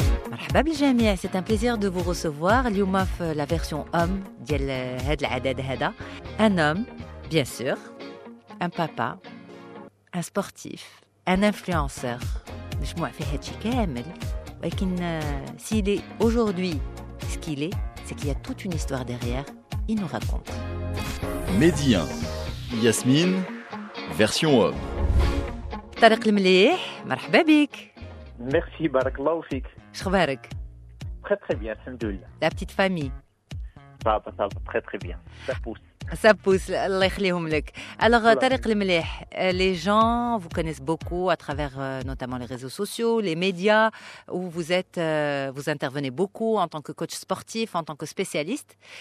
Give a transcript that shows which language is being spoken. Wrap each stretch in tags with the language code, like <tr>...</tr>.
<ar>مرحبا بالجميع,</ar> <fr>c'est un plaisir de vous recevoir.</fr> <ar>اليوم في</ar> <fr>la version homme</fr> <ar>ديال هذا العدد هذا.</ar> <fr>Un homme, bien sûr. Un papa. Un sportif. Un influenceur.</fr> <ar>مش موافق هادشي كامل.</ar> <fr>ولكن s'il est aujourd'hui ce qu'il est, c'est qu'il y a toute une histoire derrière, il nous raconte. Médien, Yasmine, version homme.</fr> <ar>Tarik Lamlih, مرحبا بك. Merci, بارك الله فيك. شخبارك؟</ar> <fr>Très très bien, alhamdoulilah. La petite famille. Très très bien, ça pousse,</fr> <ar>Allah yakhlihom lek.</ar> <fr>Alors Tarik Lamlih, les gens vous connaissent beaucoup à travers notamment les réseaux sociaux, les médias où vous êtes, vous intervenez beaucoup en tant que coach sportif, en tant que spécialiste.</fr>